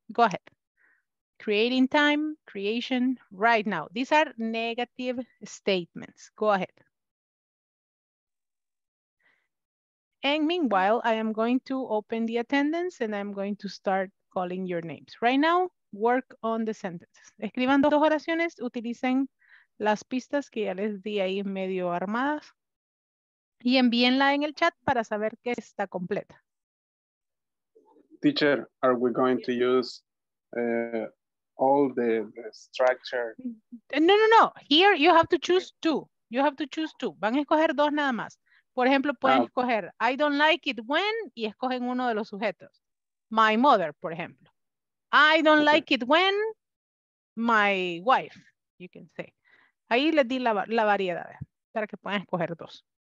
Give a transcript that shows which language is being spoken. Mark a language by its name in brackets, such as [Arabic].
[English] Go ahead. Creating time, creation, right now. These are negative statements. Go ahead. And meanwhile, I am going to open the attendance and I'm going to start calling your names. Right now, work on the sentences. [Spanish] Escriban dos oraciones, utilicen las pistas que ya les di ahí medio armadas y envíenla en el chat para saber que está completa. [English] Teacher, are we going to use all the structure? No, no, no. Here you have to choose two. You have to choose two. [Spanish] Van a escoger dos nada más. Por ejemplo, pueden escoger [English] I don't like it when [Spanish] y escogen uno de los sujetos. [English] My mother, [Spanish] por ejemplo. [English] I don't like it when my wife, you can say. [Spanish] Ahí les di la variedad para que puedan escoger dos.